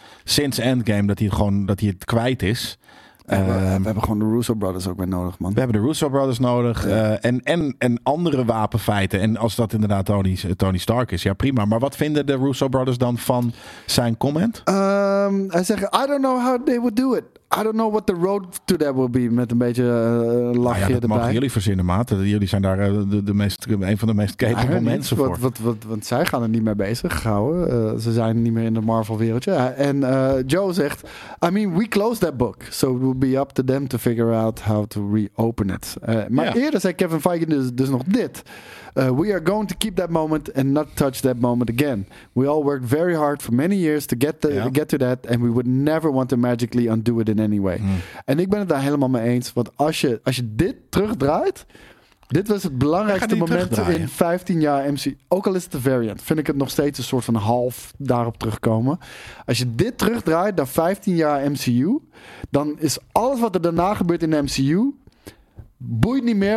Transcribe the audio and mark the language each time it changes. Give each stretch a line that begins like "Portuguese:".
Dutch: Sinds Endgame, dat hij het kwijt is. We hebben gewoon de Russo Brothers ook weer nodig, man. We hebben de Russo Brothers nodig. Ja. En andere wapenfeiten. En als dat inderdaad Tony Stark is, ja prima. Maar wat vinden de Russo Brothers dan van zijn comment? Hij zegt,
English: I don't know how they would do it. I don't know what the road to that will be.
Dutch: Met een beetje lachje erbij. Dat mogen jullie verzinnen, maat. Jullie zijn daar een van de meest capable mensen voor. Want zij gaan er niet mee bezig, gauwen. Ze zijn niet meer in de Marvel-wereldje. En Joe zegt,
English: I mean, we closed that book. So it will be up to them to figure out how to reopen it.
Dutch: Eerder zei Kevin Feige dus nog dit.
English: We are going to keep that moment and not touch that moment again. We all worked very hard for many years to get to that. And we would never want to magically undo it in any way. Mm.
Dutch: En ik ben het daar helemaal mee eens. Want als je dit terugdraait. Dit was het belangrijkste moment in 15 jaar MCU. Ook al is het de variant. Vind ik het nog steeds een soort van half daarop terugkomen. Als je dit terugdraait naar 15 jaar MCU. Dan is alles wat er daarna gebeurt in de MCU. Boeit niet meer.